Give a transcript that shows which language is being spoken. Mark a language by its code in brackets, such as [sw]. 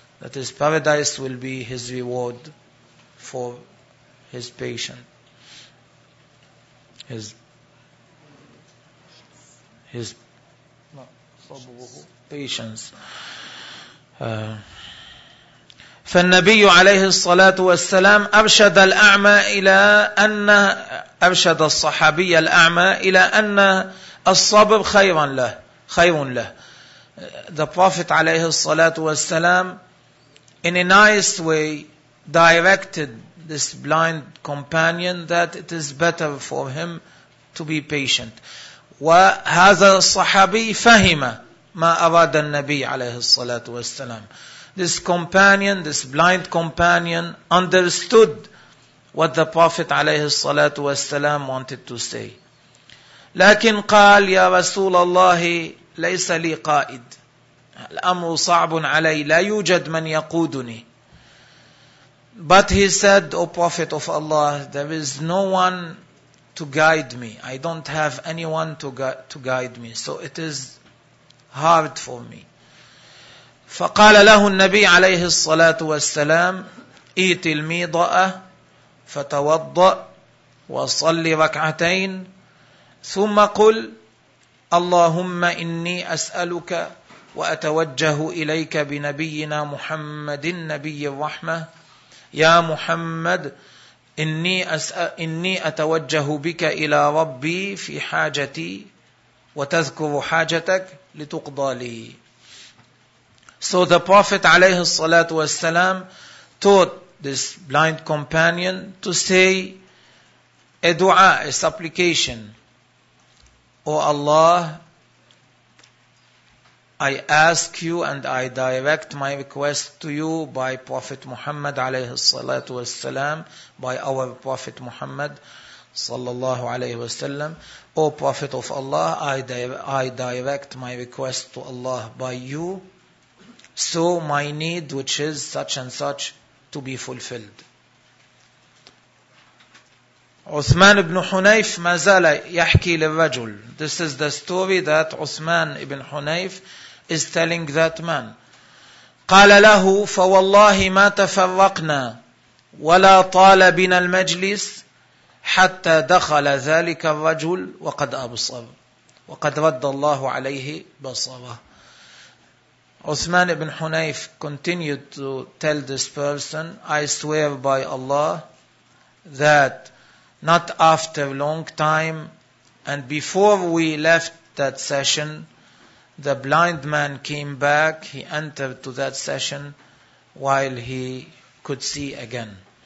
[en] That is, paradise will be his reward for his patient, his patience. [ar] فالنبي عليه الصلاة والسلام أرشد الأعمى إلى أن أرشد الصحابي الأعمى إلى أن الصبر خيرا له خير له. [en] The Prophet [ar] عليه الصلاة والسلام [en] in a nice way directed this blind companion that it is better for him to be patient. [ar] وهذا الصحابي فهم ما أراد النبي عليه الصلاة والسلام. [en] This companion, this blind companion, understood what the Prophet [ar] عليه الصلاة والسلام [en] wanted to say. [ar] لكن قال يا رسول الله ليس لي قائد. الأمر صعب علي. لا يوجد من يقودني. [en] But he said, O Prophet of Allah, there is no one to guide me. I don't have anyone to guide me. So it is hard for me. [ar] فقال له النبي عليه الصلاة والسلام إيت الميضاء فتوضأ وصلي ركعتين ثم قل اللهم إني أسألك وأتوجه إليك بنبينا محمد النبي الرحمة يا محمد إني أتوجه بك إلى ربي في حاجتي وتذكر حاجتك لتقضى لي. [en] So the Prophet عليه الصلاة والسلام taught this blind companion to say a dua, a supplication. O Allah, I ask you and I direct my request to you by Prophet Muhammad [ar] عليه الصلاة والسلام, [en] by our Prophet Muhammad [ar] صلى الله عليه وسلم. [en] O Prophet of Allah, I direct my request to Allah by you. So my need, which is such and such, to be fulfilled. [ar] Uthman ibn Hunayf mazala yahki lirajul. [en] This is the story that Uthman ibn Hunayf is telling that man. [ar] قال له فوالله ما تفرقنا ولا طال بنا المجلس حتى دخل ذلك الرجل وقد أبصر وقد رد الله عليه بصره. [en] Uthman ibn Hunayf continued to tell this person, I swear by Allah that not after long time and before we left that session, the blind man came back, he entered to that session while he could see again.